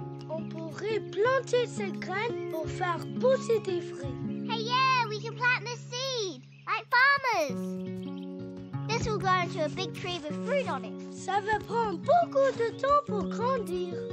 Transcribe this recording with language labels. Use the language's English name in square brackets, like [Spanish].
[French] On pourrait planter cette graine pour faire pousser des fruits. [English] Hey, yeah, we can plant the seed, like farmers. This will grow into a big tree with fruit on it. [French] Ça va prendre beaucoup de temps pour grandir.